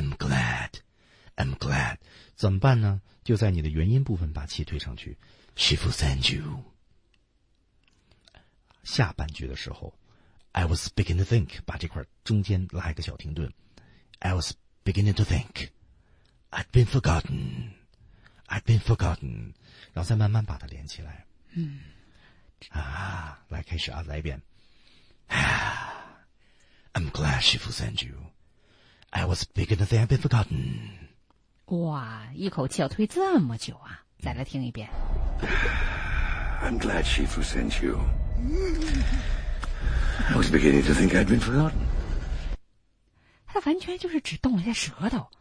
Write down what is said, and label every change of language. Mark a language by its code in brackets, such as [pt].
[en] I'm glad [zh] 怎么办呢？就在你的元音部分把气推上去。 [en] Shifu sent you。 [zh] 下半句的时候 [en] I was beginning to think， [zh] 把这块中间拉一个小停顿。 [en] I was beginning to think I'd been forgotten， [zh] 然后再慢慢把它连起来。嗯，啊，来开始啊，来一遍。 [en] I'm glad Shifu sent you. I was beginning to think I'd been forgotten. [zh] 哇，一口气要推这么久啊！再来听一遍。 [en] I'm glad Shifu sent you. I was beginning to think I'd been forgotten. [zh] 他完全就是只动了一下舌头。